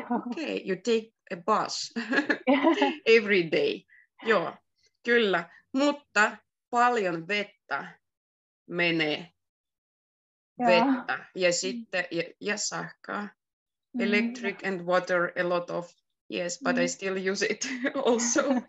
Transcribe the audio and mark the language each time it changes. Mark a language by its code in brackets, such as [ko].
[en] Okay, you take a bus every day. [fi] Joo, kyllä. Mutta paljon vettä menee. Vettä ja sitten ja sähköä. [en] Electric and water, a lot of. Yes, but I still use it also.